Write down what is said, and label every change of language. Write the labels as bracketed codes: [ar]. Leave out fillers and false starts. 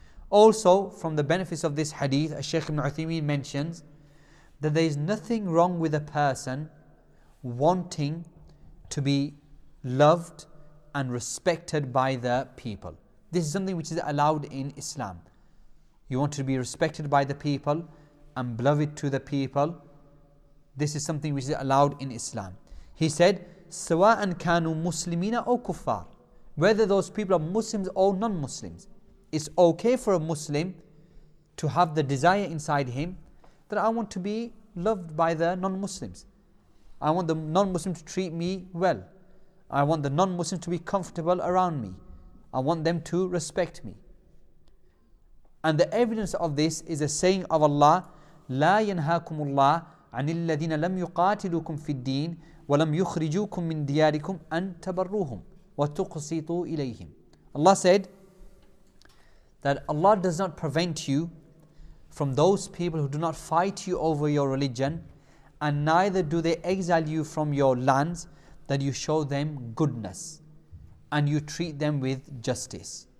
[en] Also, from the benefits of this hadith, as Shaykh Ibn Uthaymeen mentions, that there is nothing wrong with a person wanting to be loved and respected by the people. This is something which is allowed in Islam. You want to be respected by the people and beloved to the people. This is something which is allowed in Islam. He said, [ar] سَوَاءً كَانُوا مُسْلِمِينَ أَوْ كُفَّارٌ. [en] Whether those people are Muslims or non-Muslims, it's okay for a Muslim to have the desire inside him that I want to be loved by the non-Muslims. I want the non-Muslim to treat me well. I want the non-Muslim to be comfortable around me. I want them to respect me. And the evidence of this is a saying of Allah, [ar] لَا يَنْهَاكُمُ اللَّهِ عَنِ الَّذِينَ لَمْ يُقَاتِلُكُمْ فِي الدِّينِ وَلَمْ يُخْرِجُوكُمْ مِنْ دِيَارِكُمْ أَنْ تَبَرُّوهُمْ وَتُقْسِطُوا إِلَيْهِمْ. [en] Allah said that Allah does not prevent you from those people who do not fight you over your religion, and neither do they exile you from your lands, that you show them goodness and you treat them with justice.